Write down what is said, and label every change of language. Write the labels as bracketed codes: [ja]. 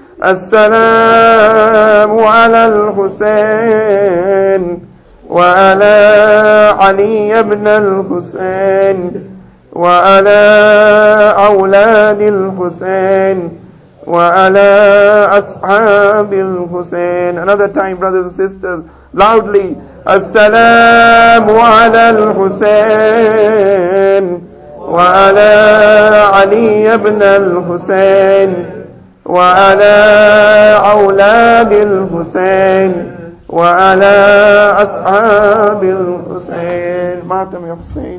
[ar] As-salamu ala al-Husayn وعلى علي ابن الحسين وعلى أولاد الحسين وعلى أصحاب الحسين. [en] Another time, brothers and sisters, loudly. [ar] السلام على الحسين وعلى علي بن الحسين وعلى أولاد الحسين وعلى أصحاب الحسين. ما تم يا حسين.